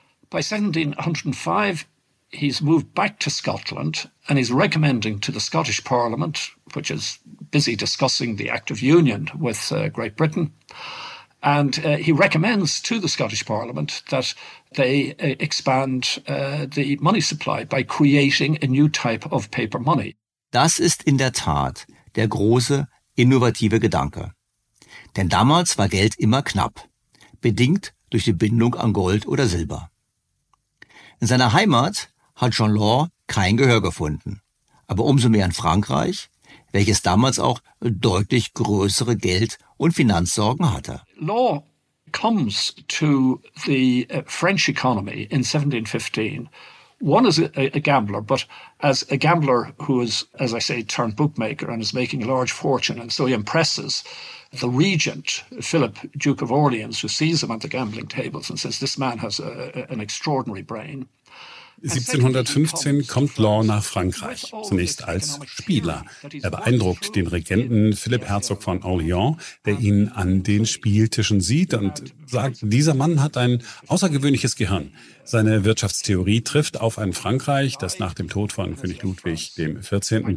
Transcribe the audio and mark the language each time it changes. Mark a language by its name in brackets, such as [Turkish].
[English] By 1705, he's moved back to Scotland and he's recommending to the Scottish Parliament, which is busy discussing the Act of Union with Great Britain, and he recommends to the Scottish Parliament that they expand the money supply by creating a new type of paper money. [German] Das ist in der Tat der große, innovative Gedanke. Denn damals war Geld immer knapp, bedingt durch die Bindung an Gold oder Silber. In seiner Heimat hat John Law kein Gehör gefunden, aber umso mehr in Frankreich, welches damals auch deutlich größere Geld- und Finanzsorgen hatte. [English] Law comes to the French economy in 1715. One is a gambler, but as a gambler who is, as I say, turned bookmaker and is making a large fortune, and so he impresses the regent, Philip, Duke of Orleans, who sees him at the gambling tables and says, this man has an extraordinary brain. [German] 1715 kommt Law nach Frankreich, zunächst als Spieler. Er beeindruckt den Regenten Philipp Herzog von Orléans, der ihn an den Spieltischen sieht und sagt, dieser Mann hat ein außergewöhnliches Gehirn. Seine Wirtschaftstheorie trifft auf ein Frankreich, das nach dem Tod von König Ludwig XIV.